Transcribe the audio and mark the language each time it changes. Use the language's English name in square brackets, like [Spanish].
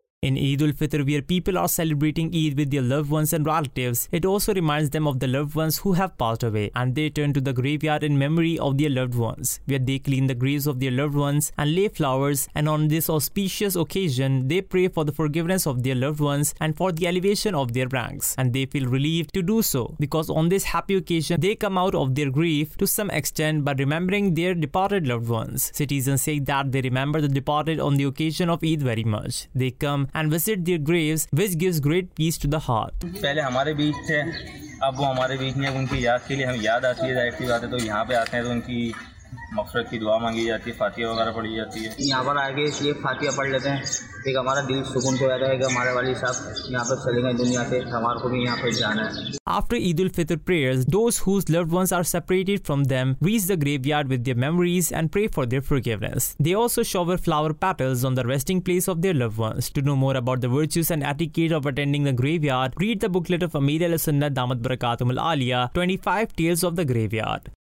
[English] In Eid al-Fitr, where people are celebrating Eid with their loved ones and relatives, it also reminds them of the loved ones who have passed away, and they turn to the graveyard in memory of their loved ones, where they clean the graves of their loved ones and lay flowers, and on this auspicious occasion, they pray for the forgiveness of their loved ones and for the elevation of their ranks, and they feel relieved to do so, because on this happy occasion, they come out of their grief to some extent by remembering their departed loved ones. Citizens say that they remember the departed on the occasion of Eid very much. They come and visit their graves, which gives great peace to the heart. [Urdu] پہلے ہمارے بیچ تھے، اب وہ ہمارے بیچ نہیں ہے، ان کی یاد کے لیے ہم یاد آتی ہے، ظاہر سی بات ہے، تو یہاں پہ آتے ہیں تو ان کی مغفرت کی دعا مانگی جاتی ہے، فاتحہ وغیرہ پڑھی جاتی ہے۔ یہاں پر آ کے اس لیے فاتحہ پڑھ لیتے ہیں، ایک ہمارا دل سکون ہو جاتا ہے کہ ہمارے والد صاحب یہاں پر چلے گئے دنیا سے، ہمارے کو بھی یہاں پہ جانا ہے۔ [English] After Eid al-Fitr prayers, those whose loved ones are separated from them reach the graveyard with their memories and pray for their forgiveness. They also shower flower petals on the resting place of their loved ones. To know more about the virtues and etiquette of attending the graveyard, read the booklet of Ameer al-Sunnah Damat Barakatum al-Aliyah, 25 Tales of the Graveyard.